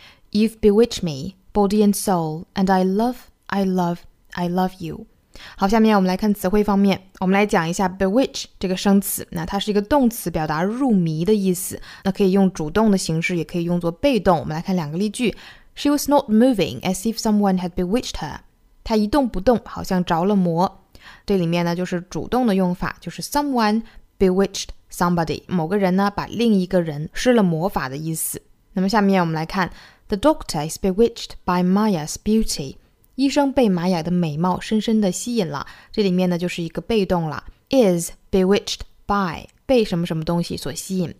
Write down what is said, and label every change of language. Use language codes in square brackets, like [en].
[en] You've bewitched me, body and soul, and I love you. [zh] 好，下面我们来看词汇方面。我们来讲一下 bewitch 这个生词，那它是一个动词，表达入迷的意思。那可以用主动的形式，也可以用作被动。我们来看两个例句。 [en] She was not moving as if someone had bewitched her. [zh] 她一动不动，好像着了魔。这里面呢，就是主动的用法，就是 [en] someone bewitched somebody， [zh] 某个人呢把另一个人施了魔法的意思。那么下面我们来看 [en] The doctor is bewitched by Maya's beauty， [zh] 医生被玛雅的美貌深深的吸引了，这里面呢就是一个被动了， [en] is bewitched by， [zh] 被什么什么东西所吸引。